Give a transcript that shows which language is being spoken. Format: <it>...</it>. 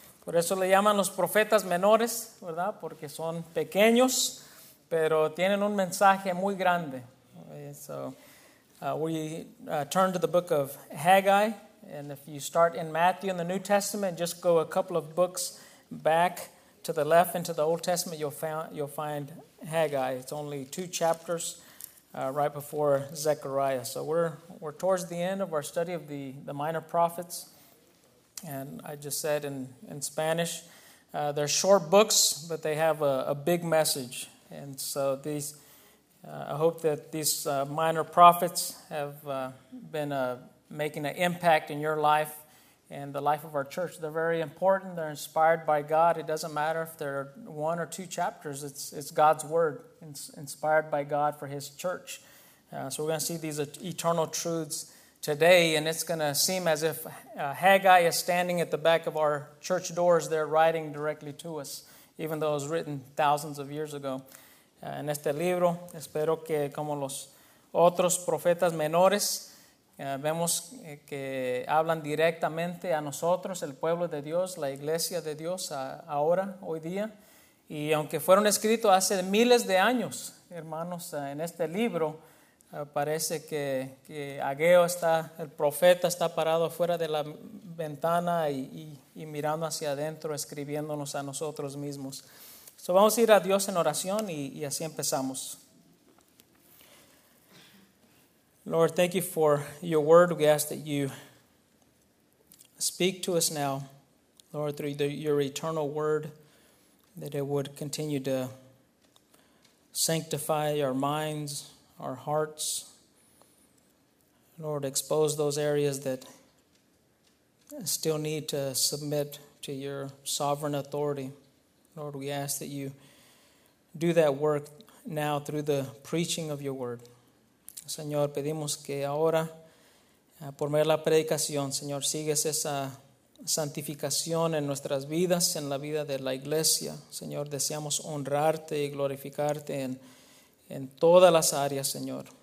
<es>Por eso le llaman los profetas menores, ¿verdad? Porque son pequeños, pero tienen un mensaje muy grande.</es> <en>So, we turn to the book of Haggai. And if you start in Matthew in the New Testament, just go a couple of books back to the left into the Old Testament, you'll find Haggai. It's only two chapters right before Zechariah. So we're towards the end of our study of the minor prophets. And I just said in Spanish, they're short books, but they have a big message. And so these, I hope that these minor prophets have been making an impact in your life and the life of our church. They're very important. They're inspired by God. It doesn't matter if they're one or two chapters. It's God's word, inspired by God for his church. So we're going to see these eternal truths today, and it's going to seem as if Haggai is standing at the back of our church doors. They're writing directly to us, even though it was written thousands of years ago.</en> <es>En este libro, espero que como los otros profetas menores, vemos que hablan directamente a nosotros, el pueblo de Dios, la iglesia de Dios, ahora, hoy día. Y aunque fueron escritos hace miles de años, hermanos, en este libro, parece que Ageo está, el profeta está parado afuera de la ventana y mirando hacia adentro, escribiéndonos a nosotros mismos. So vamos a ir a Dios en oración y así empezamos.</es> <en>Lord, thank you for your word. We ask that you speak to us now, Lord, through your eternal word, that it would continue to sanctify our minds, our hearts. Lord, expose those areas that still need to submit to your sovereign authority. Lord, we ask that you do that work now through the preaching of your word.</en> <es>Señor, pedimos que ahora, por medio de la predicación, Señor, sigues esa santificación en nuestras vidas, en la vida de la iglesia. Señor, deseamos honrarte y glorificarte en todas las áreas, Señor.</es>